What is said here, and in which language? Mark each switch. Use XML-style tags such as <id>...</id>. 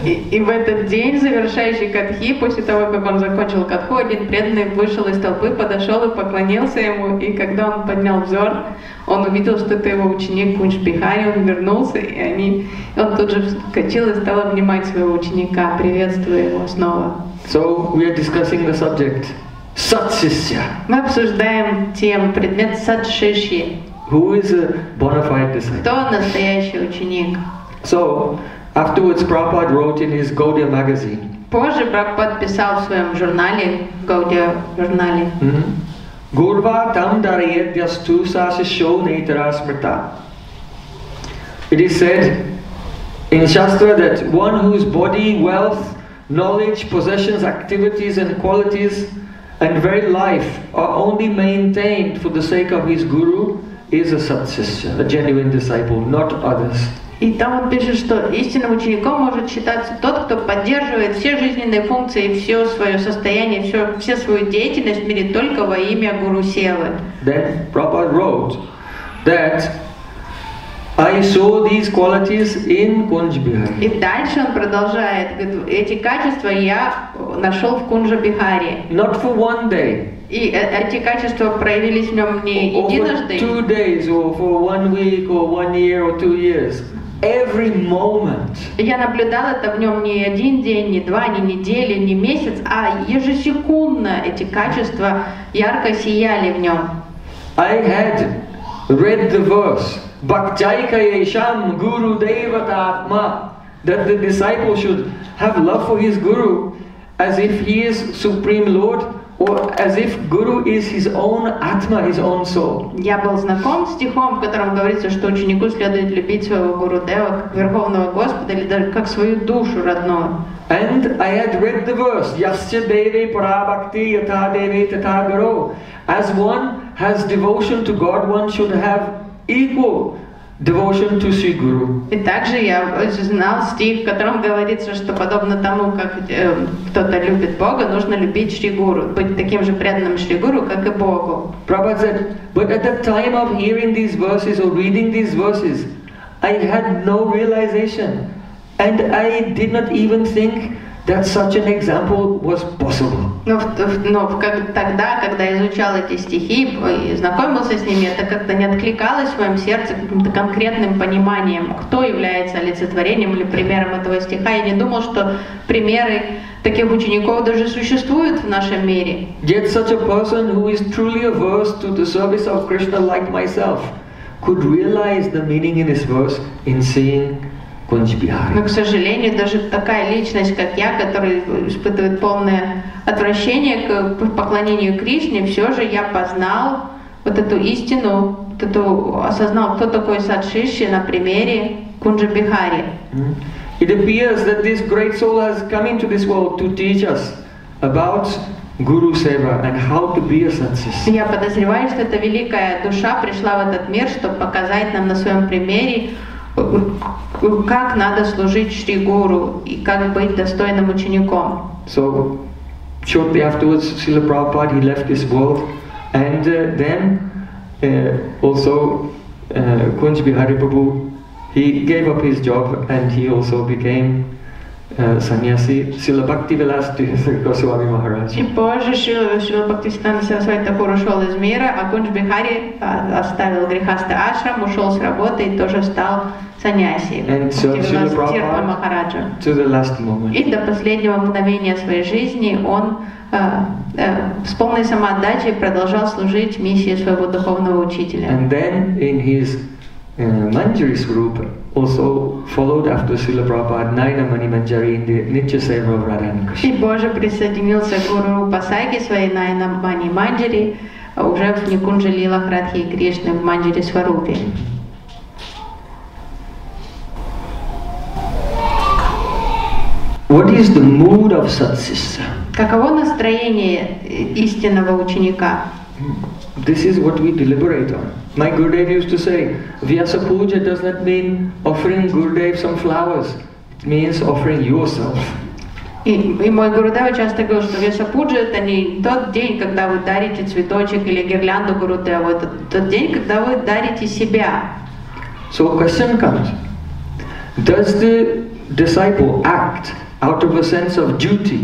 <ru>И в этот день, завершающий катхи, после того, как он закончил катху, один преданный вышел из толпы, подошел и поклонился ему. И когда он поднял взор, он увидел, что это его ученик Кунч Бихари, он вернулся, и они, он тут же вскочил и стал обнимать своего ученика, приветствуя его снова.</ru> <en>So we are discussing the subject. Сат-сисья.</en> <ru>Мы обсуждаем тему, предмет сат-сисья.</ru> <en>Who is a bona fide disciple?</en> <ru>Кто настоящий ученик?</ru> <en>So, afterwards, Prabhupada wrote in his Gaudiya magazine.</en> <ru>Позже Прабхупада писал в своем журнале, Gaudiya журнале.</ru> <sa>Гурва там дарьет ясту сашишо нейтара смрта.</sa> <en>It is said in Shastra that one whose body, wealth, knowledge, possessions, activities and qualities and very life are only maintained for the sake of his guru is a satsisya, a genuine disciple, not others.</en> <ru>И там он пишет, что истинным учеником может считаться тот, кто поддерживает все жизненные функции, все свое состояние, все свою деятельность в мире только во имя Гуру Севы.</ru> <en>Then Prabhupada wrote that I saw these qualities in Kunja Bihari.</en> <ru>И дальше он продолжает, эти качества я нашел в Кунджа Бихари.</ru> <en>Not for one day.</en> <ru>И эти качества проявились в нем не единожды.</ru> <en>Over 2 days, or for 1 week, or 1 year, or 2 years. Every moment.</en> <ru>Я наблюдал это в нем не один день, не два, не неделя, не месяц, а ежесекундно эти качества ярко сияли в нем.</ru> <en>I had read the verse</en> <sa>Bhaktyaika Yesham Guru Devata Atma,</sa> <en>that the disciple should have love for his guru as if he is supreme lord. Or as if guru is his own atma, his own soul.</en> <ru>Я был знаком с стихом, в котором говорится, что ученику следует любить своего гуру дева, верховного господа, или даже как свою душу родную.</ru> <en>And I had read the verse:</en> <sa>Yasya Devi Parabhakti Yatha Devi Tatha Guru.</sa> <en>As one has devotion to God, one should have equal devotion to Sri Guru.</en> <ru>И также я знал стих, в котором говорится, что подобно тому, как кто-то любит Бога, нужно любить Шри Гуру, быть таким же преданным Шри Гуру, как и Богу.</ru> <en>Prabhupada said, but at the time of hearing these verses or reading these verses, I had no realization, and I did not even think that such an example was possible.</en> <ru>Но тогда, когда я изучал эти стихи и знакомился с ними, это как-то не откликалось в моем сердце каким-то конкретным пониманием, кто является олицетворением или примером этого стиха. Я не думал, что примеры таких учеников даже существуют в нашем мире.</ru> <en>Yet such a person who is truly averse to the service of Krishna like myself could realize the meaning in this verse in seeing</en> <ru>Но, к сожалению, даже такая личность, как я, которая испытывает полное отвращение к поклонению Кришне, все же я познал вот эту истину, вот эту, осознал, кто такой сат-сисья на примере Кунджа Бихари.</ru> <en>It appears that this great soul has come into this world to teach us about Guru Seva and how to be a sat-sisya.</en> <ru>Я подозреваю, что эта великая душа пришла в этот мир, чтобы показать нам на своем примере, как надо служить Шри Гуру и как быть достойным учеником.</ru> <en>So, shortly afterwards, Srila Prabhupada, he left this world, and then also Kunj Bihari Prabhu, he gave up his job and he also became Саньяси Сила Бхакти Виласти Госвами Махарадж.</en> <ru>И позже Сила Бхакти Сиддханта Сарасвати Тхакур ушел из мира, а Кунч Бихари оставил грехаста ашрам, ушел с работы и тоже стал саньяси.</ru> <en>And so Сила Прабхупада to the last moment.</en> <ru>И до последнего мгновения своей жизни он с полной самоотдачей продолжал служить миссии своего духовного учителя.</ru> <en>And then in his Manjari's group also followed after Srila Prabhupada, Naina Mani Manjari in the Nitya Seva of Radha and Krishna.</en> <ru>И позже присоединился к Гуру Пасайки своей Наина Мани Манджари, уже в Никунджа Лилах Радхи и Кришны в Манджари Сварупе.</ru> <en>What is the mood of satsisya?</en> <ru>Каково настроение истинного ученика?</ru> <en>This is what we deliberate on. My Gurudev used to say, Vyasa Puja does not mean offering Gurudev some flowers. It means offering yourself.</en> <ru>И мой Гурудев часто говорил, что Вьяса Пуджа — это не тот день, когда вы дарите цветочек или гирлянду Гурудеву. Это тот день, когда вы дарите себя.</ru> <en>So question comes. Does the disciple act out of a sense of duty?</en>